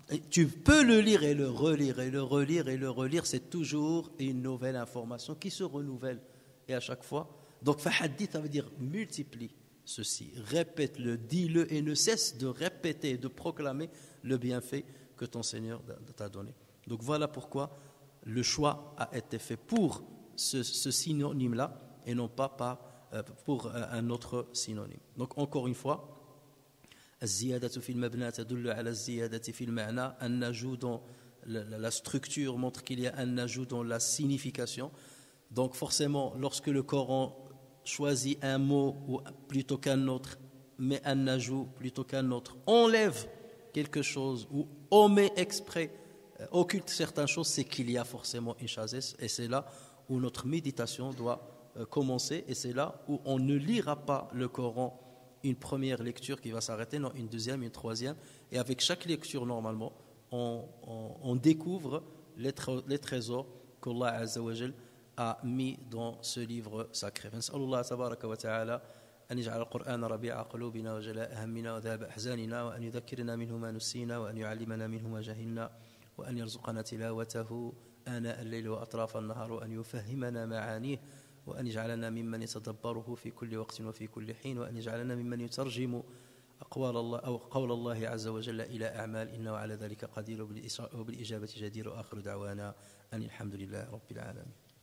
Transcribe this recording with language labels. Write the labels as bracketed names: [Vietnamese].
[French] tu peux le lire et le relire et le relire et le relire c'est toujours une nouvelle information qui se renouvelle et à chaque fois donc fa hadith ça veut dire multiplie ceci répète-le dis-le et ne cesse de répéter de proclamer le bienfait que ton Seigneur t'a donné donc voilà pourquoi le choix a été fait pour ce synonyme-là et non pas pour un autre synonyme. Donc encore une fois, [Arabic] الزيادة في المبنى تدل على الزيادة في المعنى. [French] Un ajout dans la structure montre qu'il y a un ajout dans la signification. Donc forcément, lorsque le Coran choisit un mot plutôt qu'un autre, met un ajout plutôt qu'un autre, enlève quelque chose ou omet exprès, occulte certaines choses, c'est qu'il y a forcément une chasesse et c'est là où notre méditation doit commencer et c'est là où on ne lira pas le Coran une première lecture qui va s'arrêter, non, une deuxième, une troisième et avec chaque lecture normalement on découvre les trésors qu'Allah Azza wa Jal a mis dans ce livre sacré. [Arabic] Allah tabaraka wa ta'ala أن يجعل القرآن ربيع قلوبنا وجلاء همنا وذهب أحزاننا وأن يذكرنا منه ما نسينا وأن يعلمنا منه ما جهلنا وأن يرزقنا تلاوته آناء الليل وأطراف النهار وأن يفهمنا معانيه وأن يجعلنا ممن يتدبره في كل وقت وفي كل حين وأن يجعلنا ممن يترجم أقوال الله أو قول الله عز وجل إلى أعمال إنه على ذلك قدير وبالإجابة جدير آخر دعوانا أن الحمد لله رب العالمين.